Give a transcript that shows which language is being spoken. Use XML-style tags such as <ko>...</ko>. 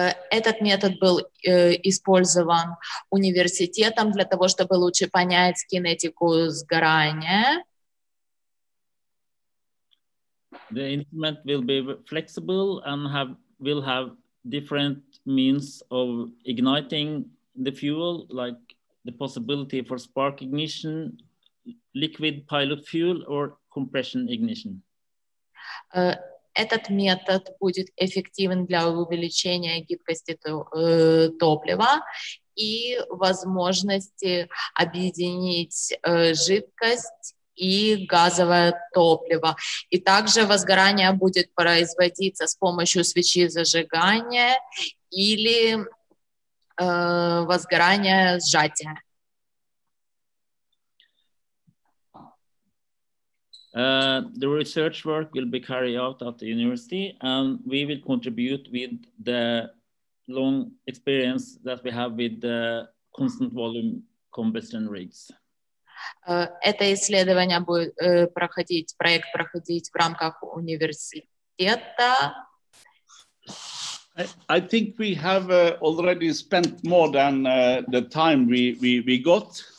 <ru>Этот метод был использован университетом для того, чтобы лучше понять кинетику сгорания.</ru> <en>The instrument will be flexible and will have different means of igniting the fuel, like the possibility for spark ignition, liquid pilot fuel, or compression ignition.</en> <ru>Этот метод будет эффективен для увеличения гибкости топлива и возможности объединить жидкость и газовое топливо. И также возгорание будет производиться с помощью свечи зажигания или возгорания сжатия.</ru> <en>The research work will be carried out at the university, and we will contribute with the long experience that we have with the constant volume combustion rigs.</en> <ru>Это исследование будет проходить, проект проходить в рамках университета.</ru> <en>I think we have already spent more than the time we got.</en>